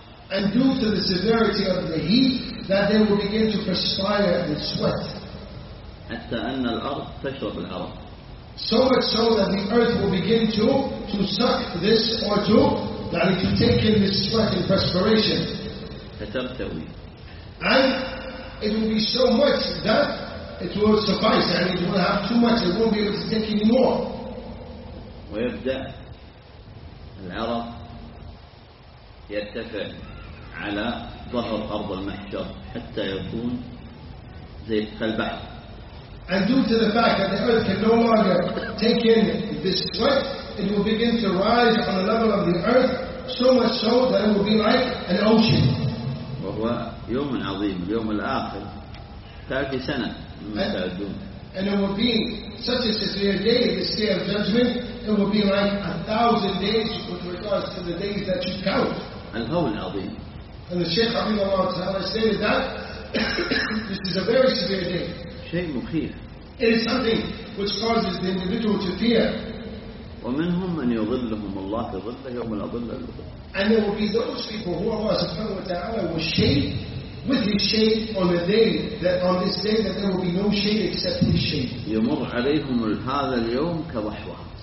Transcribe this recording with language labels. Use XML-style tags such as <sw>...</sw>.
<en>And due to the severity of the heat, that they will begin to perspire and sweat.</en> <ar>حتى أن الأرض تشرب الهواء.</ar> <en>So much so that the earth will begin to suck this or to that it will take in this sweat and perspiration.</en> <ar>فترتوي.</ar> <en>And it will be so much that it will suffice, and it will have too much, it won't be able to take any more.</en> <ar>ويبدأ العرق يرتفع على ظهر أرض المحشر حتى يكون زي البحر.</ar> <en>And due to the fact that the earth can no longer take in this sweat, it will begin to rise on the level of the earth so much so that it will be like an ocean.</en> <ar>وهو يوم عظيم، يوم الآخر، 30 سنة من تعدون.</ar> <en>And it will be such a severe day, this day of judgment, it will be like 1,000 days with regards to the days that you count.</en> <ar>الهول عظيم.</ar> <en>And the Shaykh Abdullah Ta'ala stated that this is a very severe day.</en> <ar>شيء مخيف.</ar> <en>It is something which causes the individual to fear.</en> <ar>ومنهم من يظلهم الله ظل يوم الأظل.</ar> <en>And there will be those people who Allah subhanahu wa ta'ala will shade with his shade on a day that on this day that there will be no shade except his shade.</en> <ar>يمر عليهم هذا اليوم كضحوه.</ar>